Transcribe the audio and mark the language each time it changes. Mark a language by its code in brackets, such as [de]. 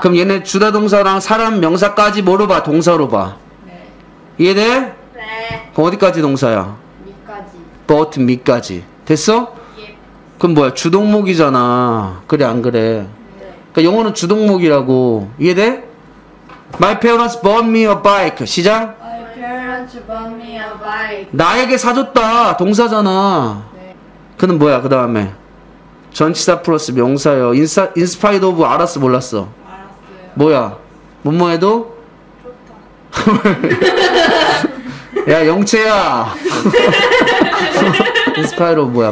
[ko] 그럼 얘네 주다 동사랑 사람 명사까지 뭐로 봐? 동사로 봐. 네. 이해돼? 네. 그럼 어디까지 동사야? 밑까지. But 밑까지. 됐어? 그럼 뭐야? 주동목이잖아. 그래 안 그래? 네. 그러니까 영어는 주동목이라고. 이해돼? [en] My parents bought me a bike. [ko] 시작. [en] My parents bought me a bike. [ko] 나에게 사줬다. 동사잖아. 네. 그는 뭐야? 그 다음에 전치사 플러스 명사요. [en] Inspired of [ko] 알았어? 몰랐어? 알았어요. 뭐야? 뭐뭐 해도? 좋다. 야 영채야. [en] Inspired of [ko] 뭐야?